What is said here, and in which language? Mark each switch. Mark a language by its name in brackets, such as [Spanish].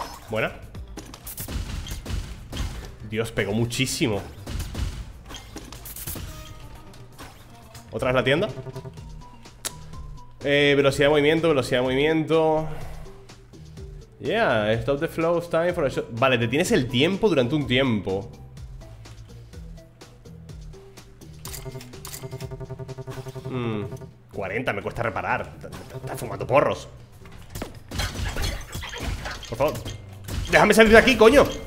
[Spanish] Buena. Dios, pegó muchísimo. ¿Otra vez la tienda? Velocidad de movimiento, velocidad de movimiento. [English] Yeah, stop the flow of time for a shot. [Spanish] Vale, detienes el tiempo durante un tiempo. Mm, 40, me cuesta reparar. Está fumando porros. Por favor, déjame salir de aquí, coño.